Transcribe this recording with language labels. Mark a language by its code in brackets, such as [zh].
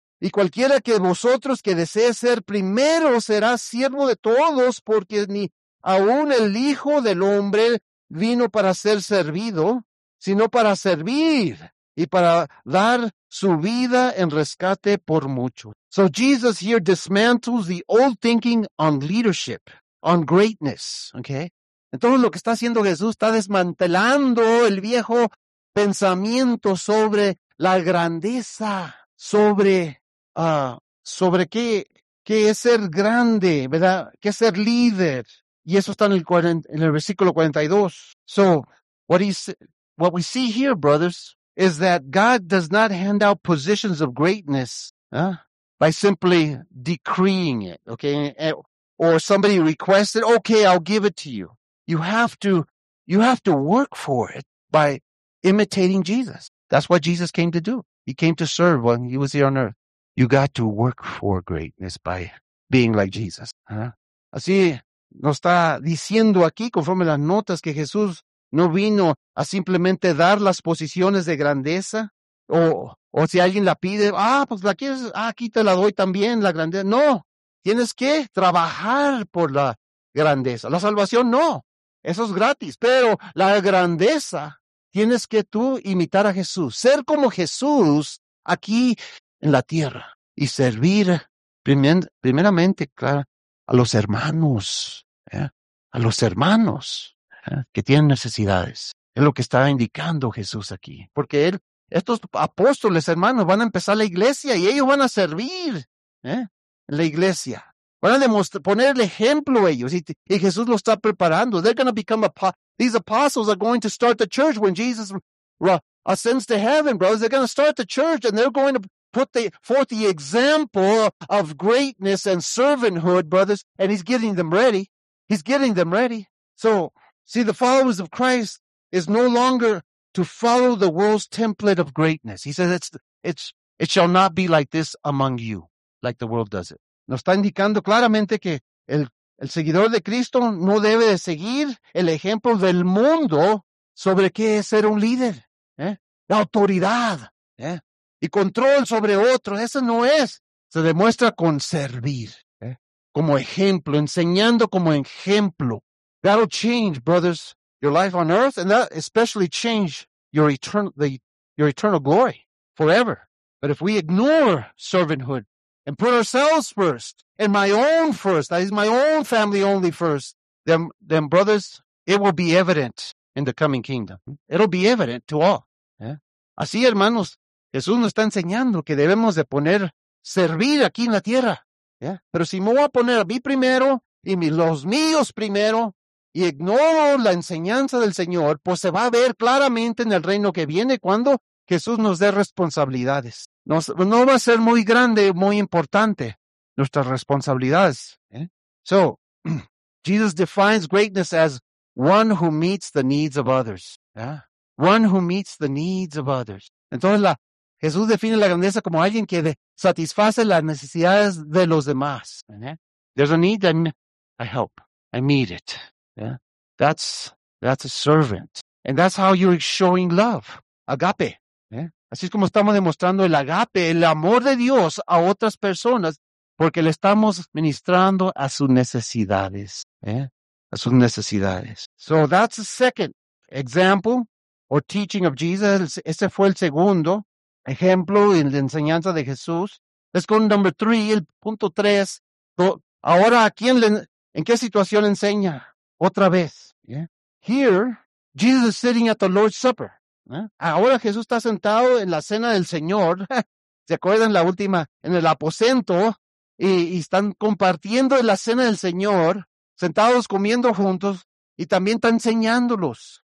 [es] Y cualquiera que vosotros que desee ser primero será siervo de todos, porque ni aún el Hijo del Hombre vino para ser servido, sino para servir y para dar su vida en rescate por muchos. [en] So Jesus here dismantles the old thinking on leadership. On greatness, okay? [es] Entonces, lo que está haciendo Jesús, está desmantelando el viejo pensamiento sobre la grandeza, sobre qué es ser grande, ¿verdad? Qué es ser líder. Y eso está en el versículo 42. [en] So, what we see here, brothers, is that God does not hand out positions of greatness by simply decreeing it, okay? Or somebody requested, okay, I'll give it to you. You have to work for it by imitating Jesus. That's what Jesus came to do. He came to serve when he was here on earth. You got to work for greatness by being like Jesus. ¿Eh? [es] Así nos está diciendo aquí, conforme las notas, que Jesús no vino a simplemente dar las posiciones de grandeza. O si alguien la pide, pues la quieres, aquí te la doy también, la grandeza. No. Tienes que trabajar por la grandeza. La salvación no, eso es gratis. Pero la grandeza, tienes que tú imitar a Jesús. Ser como Jesús aquí en la tierra. Y servir primeramente, claro, a los hermanos. A los hermanos que tienen necesidades. Es lo que está indicando Jesús aquí. Porque estos apóstoles, hermanos, van a empezar la iglesia y ellos van a servir. La iglesia. Van a poner el ejemplo ellos. Y Jesús lo está preparando. [en] They're going to become these apostles are going to start the church when Jesus ascends to heaven, brothers. They're going to start the church and they're going to put forth the example of greatness and servanthood, brothers. And he's getting them ready. He's getting them ready. So, see, the followers of Christ is no longer to follow the world's template of greatness. He says, it shall not be like this among you. Like the world does it. [es] Nos está indicando claramente que el seguidor de Cristo no debe de seguir el ejemplo del mundo sobre qué es ser un líder. La autoridad y control sobre otros. Eso no es. Se demuestra con servir. Como ejemplo. Enseñando como ejemplo. [en] That'll change, brothers, your life on earth. And that especially change your eternal glory forever. But if we ignore servanthood, and put ourselves first, and my own first, that is my own family only first, then brothers, it will be evident in the coming kingdom. It'll be evident to all. [es] Así, hermanos, Jesús nos está enseñando que debemos de poner, servir aquí en la tierra. Pero si me voy a poner a mí primero, y los míos primero, y ignoro la enseñanza del Señor, pues se va a ver claramente en el reino que viene cuando Jesús nos dé responsabilidades. No va a ser muy grande, muy importante nuestras responsabilidades. [en] So, Jesus defines greatness as one who meets the needs of others. Yeah? One who meets the needs of others. [es] Entonces, Jesús define la grandeza como alguien que satisface las necesidades de los demás. [en] Yeah? There's a need, I help. I meet it. Yeah? That's a servant. And that's how you're showing love. Agape. Yeah? [es] Así es como estamos demostrando el agape, el amor de Dios a otras personas, porque le estamos ministrando a sus necesidades. [en] Yeah? [es] A sus necesidades. [en] So that's the second example or teaching of Jesus. [es] Ese fue el segundo ejemplo en la enseñanza de Jesús. [en] Let's go to number three, [es] el punto tres. So, ahora, ¿en qué situación enseña? Otra vez. [en] Yeah. Here, Jesus is sitting at the Lord's Supper. Yeah. [es] Ahora Jesús está sentado en la cena del Señor. ¿Se acuerdan la última? En el aposento. Y están compartiendo la cena del Señor. Sentados comiendo juntos. Y también está enseñándolos.